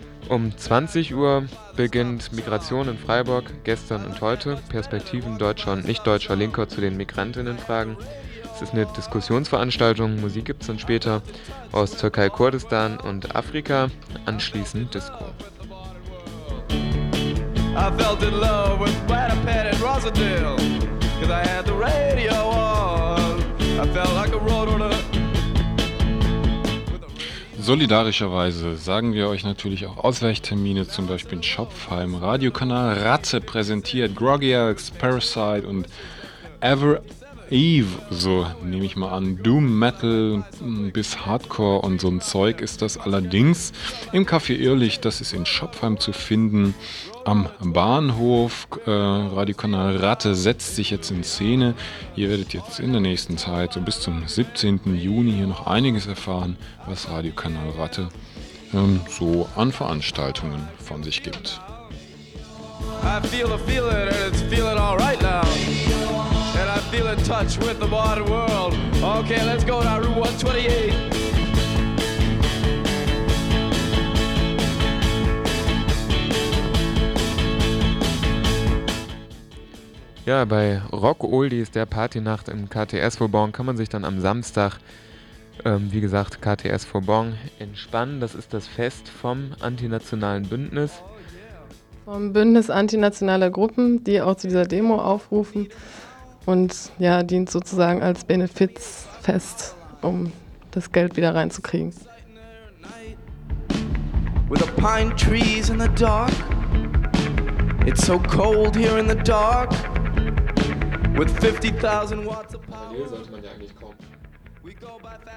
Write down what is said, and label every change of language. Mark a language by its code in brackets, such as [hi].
[de] Um 20 Uhr beginnt Migration in Freiburg, gestern und heute. Perspektiven deutscher und nichtdeutscher Linker zu den Migrantinnenfragen. Es ist eine Diskussionsveranstaltung. Musik gibt es dann später aus Türkei, Kurdistan und Afrika. Anschließend Disco. [en] I felt in love with Brad and Rosendale, 'cause I had the radio on. I felt like a roadrunner. [de] Solidarischerweise sagen wir euch natürlich auch Ausweichtermine, zum Beispiel in Schopfheim. Radiokanal Ratze präsentiert Groggy Elks, Parasite und Ever Eve, so nehme ich mal an. Doom Metal bis Hardcore und so ein Zeug ist das allerdings. Im Café Irrlicht, das ist in Schopfheim zu finden. Am Bahnhof, Radiokanal Ratte setzt sich jetzt in Szene. Ihr werdet jetzt in der nächsten Zeit, so bis zum 17. Juni, hier noch einiges erfahren, was Radiokanal Ratte so an Veranstaltungen von sich gibt. [en] I feel a feeling and it's feeling all right now. And I feel in touch with the modern world. Okay, let's go to Route 128. [de] Ja, bei Rock Oldies, der Partynacht im KTS Vauban, kann man sich dann am Samstag, wie gesagt, KTS Vauban entspannen. Das ist das Fest vom Antinationalen Bündnis. Vom Bündnis Antinationaler Gruppen, die auch zu dieser Demo aufrufen. Und ja, dient sozusagen als Benefizfest, um das Geld wieder reinzukriegen. [en] With the pine trees in the dark. It's so cold here in the dark. With 50,000 watts of power. [de] Sollte man ja eigentlich kommen.